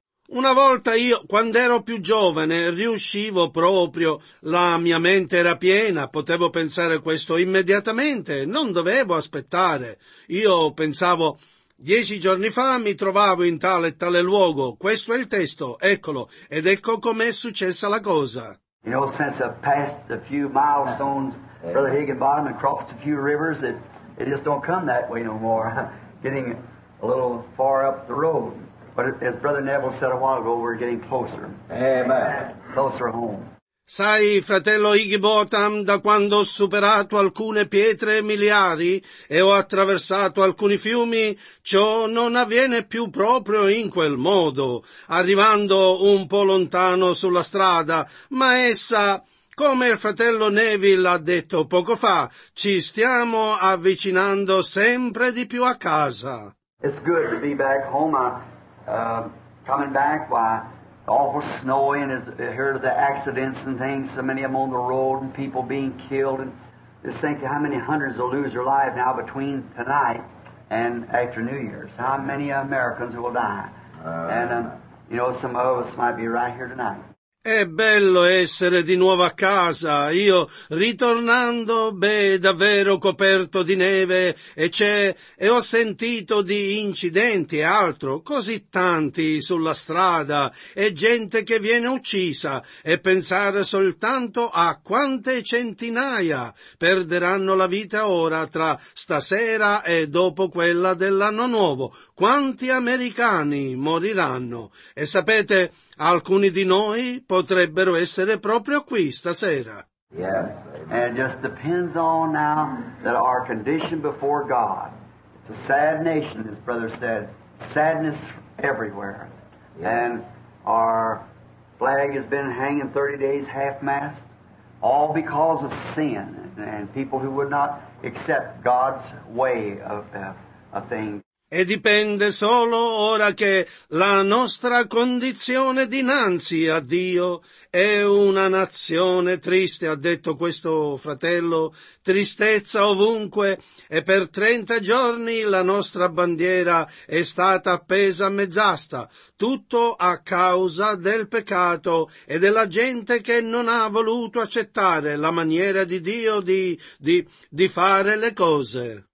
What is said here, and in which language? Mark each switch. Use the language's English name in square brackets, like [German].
[Italian] Una volta io, quando ero più giovane, riuscivo proprio, la mia mente era piena, potevo pensare questo immediatamente, non dovevo aspettare. Io pensavo, 10 giorni fa mi trovavo in tale e tale luogo, questo è il testo, eccolo, ed ecco com'è successa la cosa. [English] You know, since I've passed a few milestones, Brother Higginbottom, and crossed a few rivers, it just don't come that way no more. Getting a little far up the road. But as Brother Neville said a while ago, we're getting closer. Amen. Closer home. [Italian] Sai, fratello Higginbottom, da quando ho superato alcune pietre miliari e ho attraversato alcuni fiumi, ciò non avviene più proprio in quel modo, arrivando un po' lontano sulla strada, ma essa, come il fratello Neville ha detto poco fa, ci stiamo avvicinando sempre di più a casa. [English] It's good to be back home. Coming back, why? Awful snowing, as I heard of the accidents and things, so many of them on the road and people being killed. And just think how many hundreds will lose their life now between tonight and after New Year's. How many Americans will die. And you know, some of us might be right here tonight. [Italian] È bello essere di nuovo a casa, io ritornando, beh, davvero coperto di neve, e c'è, e ho sentito di incidenti e altro, così tanti sulla strada, e gente che viene uccisa, e pensare soltanto a quante centinaia perderanno la vita ora tra stasera e dopo quella dell'anno nuovo, quanti americani moriranno, e sapete, alcuni di noi potrebbero essere proprio qui stasera. [English] Yes, and it just depends on now that our condition before God. It's a sad nation, as brother said. Sadness everywhere. Yes. And our flag has been hanging 30 days half-mast, all because of sin and people who would not accept God's way of things. [Italian] E dipende solo ora che la nostra condizione dinanzi a Dio è una nazione triste, ha detto questo fratello, tristezza ovunque, e per 30 giorni la nostra bandiera è stata appesa a mezz'asta, tutto a causa del peccato e della gente che non ha voluto accettare la maniera di Dio di fare le cose.